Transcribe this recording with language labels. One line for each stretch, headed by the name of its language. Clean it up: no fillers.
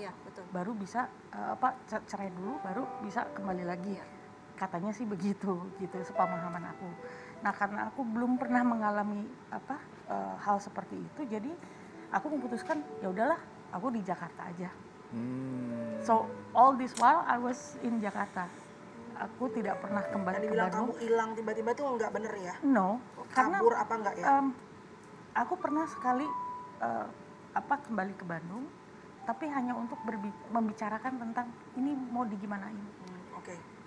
Indonesian: yeah, betul, baru bisa cerai dulu, baru bisa kembali lagi. Katanya sih begitu, gitu sepemahaman aku. Nah karena aku belum pernah mengalami hal seperti itu, jadi aku memutuskan ya udahlah, aku di Jakarta aja.
English: So all this while I was in Jakarta.
Indonesian: Aku tidak pernah kembali ke Bandung. Dan dibilang kamu hilang tiba-tiba tuh enggak benar ya?
English: No.
Indonesian: Karena, kabur apa enggak ya? Aku pernah sekali kembali ke Bandung, tapi hanya untuk membicarakan tentang ini mau digimanain. Oke.
English: Okay.